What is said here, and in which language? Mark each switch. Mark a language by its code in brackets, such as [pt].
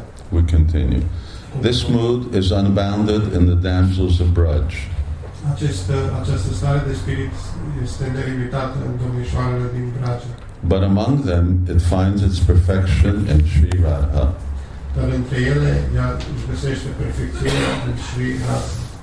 [en] We continue. This mood is unbounded in the damsels of Braj. [ro] Această stare de spirit este nelimitată în domnișoarele din Braj. [en] But among them, it finds its perfection in Sri Radha. [ro] Dar între ele, ea găsește perfecțiunea în Sri Radha.